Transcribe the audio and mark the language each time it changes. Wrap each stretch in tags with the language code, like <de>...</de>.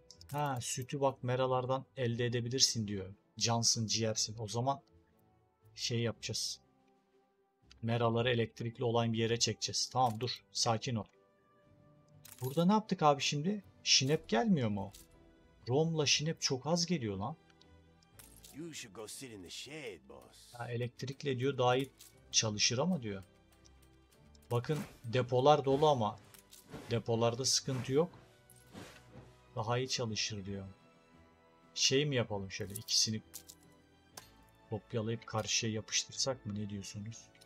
<tr>Ha sütü bak meralardan elde edebilirsin diyor. Cansın ciğersin. O zaman şey yapacağız. Meraları elektrikli olan bir yere çekeceğiz. Tamam dur sakin ol. Burada ne yaptık abi şimdi? Şinep gelmiyor mu? Rom'la Şinep çok az geliyor lan.</tr> <en>You should go sit in the shade, boss.</en> <tr>Ha, elektrikle diyor daha iyi çalışır ama diyor. Bakın depolar dolu ama depolarda sıkıntı yok. Daha iyi çalışır diyor. Şey mi yapalım şöyle ikisini kopyalayıp karşıya yapıştırsak mı ne diyorsunuz?</tr>